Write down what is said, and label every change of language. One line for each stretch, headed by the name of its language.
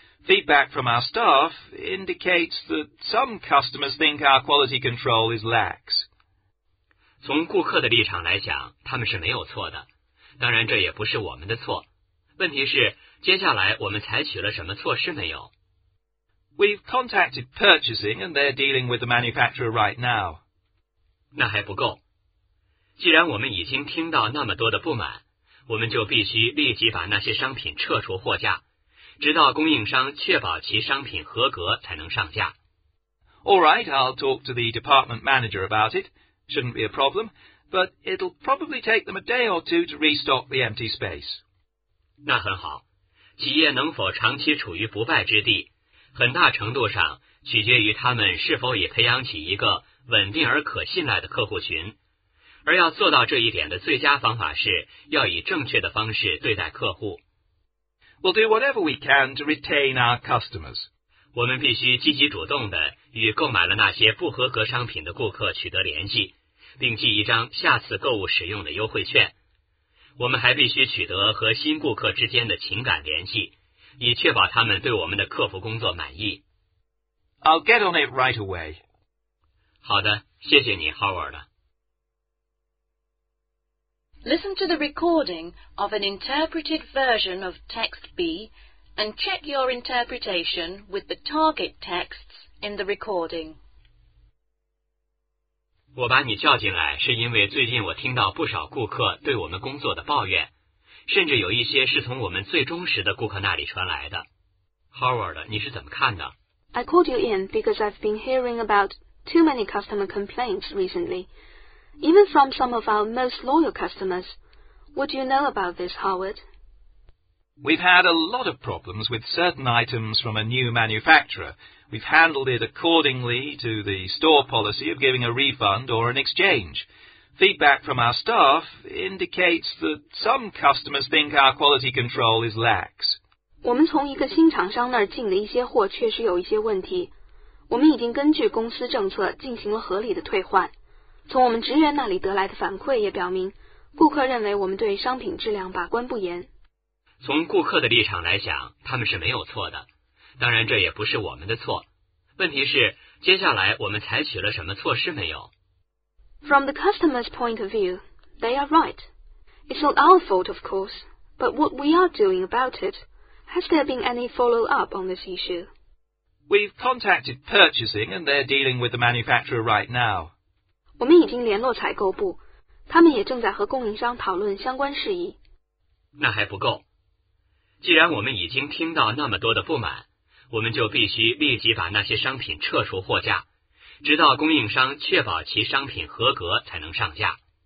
English: Feedback from our staff indicates that some customers think our quality control is lax.
Chinese: 从顾客的立场来讲，他们是没有错的。当然，这也不是我们的错。问题是，接下来我们采取了什么措施没有？
English: We've contacted purchasing and they're dealing with the manufacturer right now.
Chinese: 那还不够。既然我们已经听到那么多的不满，我们就必须立即把那些商品撤出货架，直到供应商确保其商品合格才能上架。
English: All right, I'll talk to the department manager about it. Shouldn't be a problem, but it'll probably take them a day or two to restock the empty space.
Chinese: 那很好，企业能否长期处于不败之地，很大程度上取决于他们是否已培养起一个稳定而可信赖的客户群。而要做到这一点的最佳方法是要以正确的方式对待客户。
English: We'll do whatever we can to retain our customers.
Chinese: 我们必须积极主动地与购买了那些不合格商品的顾客取得联系，并寄一张下次购物使用的优惠券。我们还必须取得和新顾客之间的情感联系，以确保他们对我们的客服工作满意。
English: I'll get on it right away.
Chinese: 好的，谢谢你，Howard。
English: Listen to the recording of an interpreted version of text B and check your interpretation with the target texts in the recording.
Chinese: 我把你叫进来是因为最近我听到不少顾客对我们工作的抱怨，甚至有一些是从我们最忠实的顾客那里传来的。 Howard, 你是怎么看的？
English: I called you in because I've been hearing about too many customer complaints recently, even from some of our most loyal customers. What do you know about this, Howard? We've had a lot of problems with certain items from a new manufacturer. We've handled it accordingly to the store policy of giving a refund or an exchange. Feedback from our staff indicates that some customers think our quality control is lax.
Chinese: 我们从一个新厂商那儿进的一些货确实有一些问题。我们已经根据公司政策进行了合理的退换。从我们职员那里得来的反馈也表明，顾客认为我们对商品质量把关不严。从顾客的立场来讲，他们是没有错的。当然这也不是我们的错。问题是，接下来我们采取了什么措施没有？
English: From the customer's point of view, they are right. It's not our fault, of course, but what we are doing about it, has there been any follow-up on this issue? We've contacted purchasing and they're dealing with the manufacturer right now.
Chinese: 我们已经联络采购部，他们也正在和供应商讨论相关事宜。那还不够。既然我们已经听到那么多的不满，我们就必须立即把那些商品撤出货架，直到供应商确保其商品合格才能上架。